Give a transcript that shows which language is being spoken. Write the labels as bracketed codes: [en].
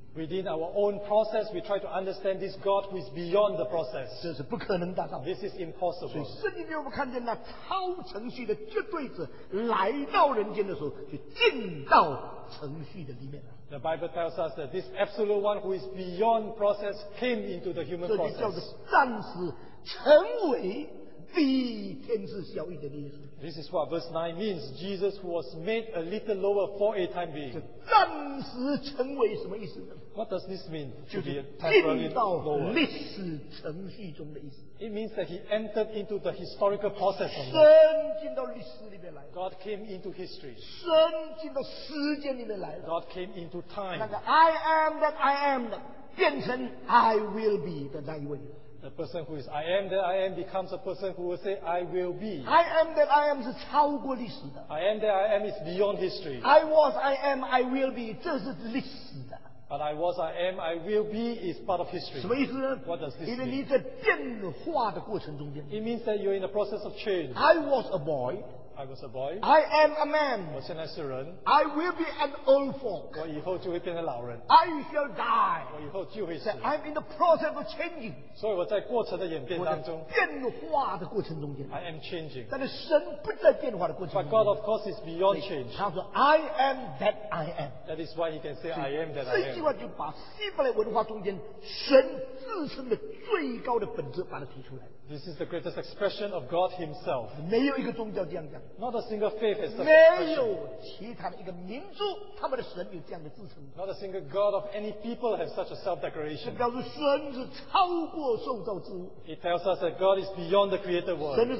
[en] Within our own process, we try to understand this God who is beyond the process. [zh] 这是不可能达到。 [en] This is impossible. [zh] 所以圣经里我们看见那超程序的绝对者来到人间的时候，就进到程序的里面了。 [en] The Bible tells us that this absolute one who is beyond process came into the human process. [zh] 这就叫做暂时成为。比天使小一点的耶稣。 [en] This is what verse 9 means. Jesus was made a little lower for a time being. [zh] 暂时成为什么意思呢？ [en] What does this mean? [zh] 就是进到历史程序中的意思。 [en] It means that he entered into the historical process. [zh] 神进到历史里面来。 [en] God came into history. [zh] 神进到时间里面来。 [en] God came into time. [zh] 那个 [en] I am that I am [zh] 的变成 [en] I will be [zh] 的那一位。 [en] The person who is I am that I am becomes a person who will say I will be. I am that I am [zh] 是超过历史的。 [en] I am that I am is beyond history. I was, I am, I will be [zh] 这是历史的。 [en] But I was, I am, I will be is part of history. [zh] 什么意思呢？ [en] What does this mean? [zh] 因为你在变化的过程中间。 [en] It means that you're in the process of change. I was a boy. I was a boy. I am a man. [zh] 我现在是人, [en] I will be an old folk. [zh] 我以后就会变成老人, [en] I shall die. [zh] 我以后就会死, [en] I'm in the process of changing. [zh] 所以我在过程的演变当中, 我在变化的过程中间, [en] I am changing. [zh] 但是神不在变化的过程中间, [en] but God, of course, is beyond change. [zh] 他说, [en] I am that I am. That is why he can say, I am that I am. [zh] 这句话就把希伯来文化中间, 神自身的最高的本质把它提出来。 [en] This is the greatest expression of God Himself. Not a single faith has such expression. Not a single God of any people has such a self-declaration. It tells us that God is beyond the created world.